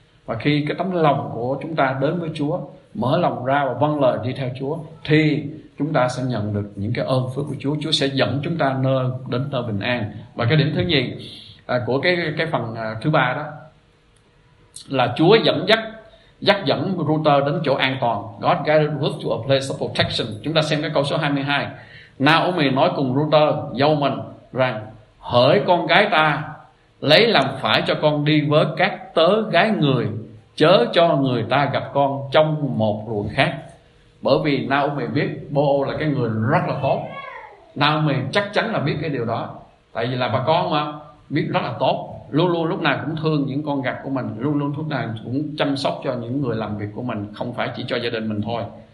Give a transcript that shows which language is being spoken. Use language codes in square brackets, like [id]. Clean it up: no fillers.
[vi] Và khi cái tấm lòng của chúng ta đến với Chúa, mở lòng ra và vâng lời đi theo Chúa, thì chúng ta sẽ nhận được những cái ơn phước của Chúa. Chúa sẽ dẫn chúng ta đến nơi bình an. Và cái điểm thứ nhì của cái phần thứ ba đó là Chúa dẫn dắt dắt dẫn router đến chỗ an toàn. [en] God guided Ruth to a place of protection. [vi] Chúng ta xem cái câu số 22. Naomi nói cùng router dâu mình rằng: hỡi con gái ta, lấy làm phải cho con đi với các tớ gái người, chớ cho người ta gặp con trong một ruộng khác. Bởi vì Naomi biết Boaz là cái người rất là tốt. Naomi chắc chắn là biết cái điều đó, tại vì là bà con mà, biết rất là tốt, luôn luôn lúc nào cũng thương những con gặt của mình, luôn luôn lúc nào cũng chăm sóc cho những người làm việc của mình, không phải chỉ cho gia đình mình thôi.